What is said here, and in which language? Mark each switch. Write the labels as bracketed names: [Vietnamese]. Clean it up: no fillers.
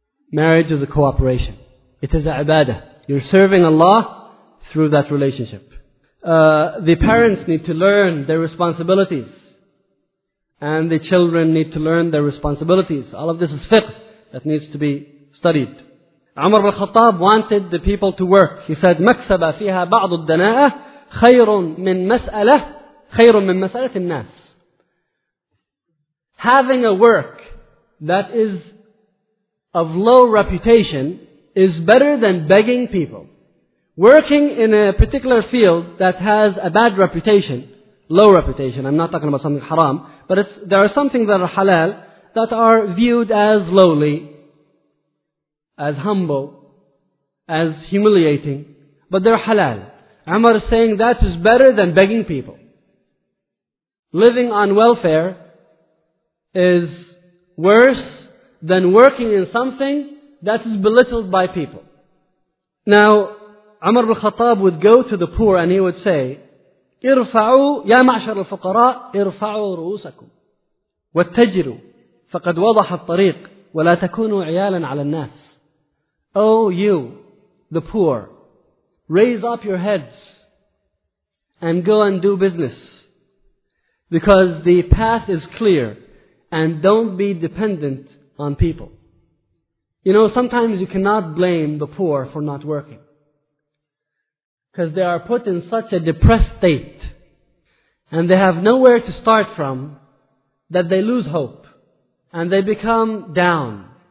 [English] Marriage is a cooperation. It is a ibadah. You're serving Allah through that relationship. The parents need to learn their responsibilities. And the children need to learn their responsibilities. All of this is fiqh that needs to be studied. Umar al-Khattab wanted the people to work. He said, [Arabic] مَكْسَبَ فِيهَا بَعْضُ الدَّنَاءَةِ خَيْرٌ مِّن مَسْأَلَةِ النَّاسِ. [English] Having a work that is of low reputation is better than begging people. Working in a particular field that has a bad reputation, low reputation, I'm not talking about something haram, but there are some things that are halal that are viewed as lowly, as humble, as humiliating, but they're halal. Umar is saying that is better than begging people. Living on welfare is worse than working in something that is belittled by people. Now, Umar al-Khattab would go to the poor and he would say, [Arabic] ارفعوا يا معشر الفقراء ارفعوا رؤوسكم واتجروا فقد وضح الطريق ولا تكونوا عيالا على الناس. [English] Oh you, the poor, raise up your heads and go and do business, because the path is clear, and don't be dependent on people. You know, sometimes you cannot blame the poor for not working, because they are put in such a depressed state and they have nowhere to start from that they lose hope and they become down.